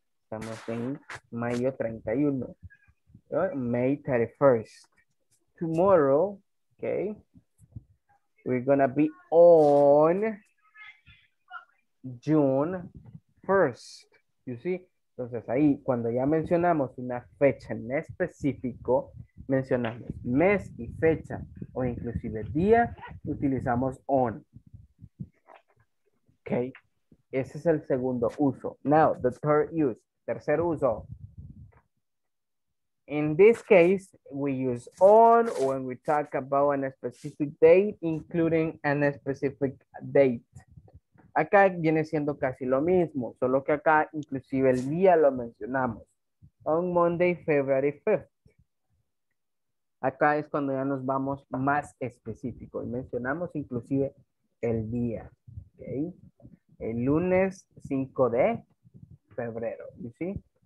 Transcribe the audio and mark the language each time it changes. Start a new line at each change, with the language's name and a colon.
Spanish: Estamos en mayo 31.
English: May 31st. Tomorrow, okay, we're gonna be on June 1st. You see?
Spanish: Entonces ahí, cuando ya mencionamos una fecha en específico, mencionamos mes y fecha, o inclusive día, utilizamos on. Okay. Ese es el segundo uso.
English: Now, the third use.
Spanish: Tercer uso.
English: In this case, we use on when we talk about a specific date, including a specific date.
Spanish: Acá viene siendo casi lo mismo, solo que acá inclusive el día lo mencionamos.
English: On Monday, February 5th.
Spanish: Acá es cuando ya nos vamos más específico y mencionamos inclusive el día. Okay. El lunes 5 de febrero,
English: you see?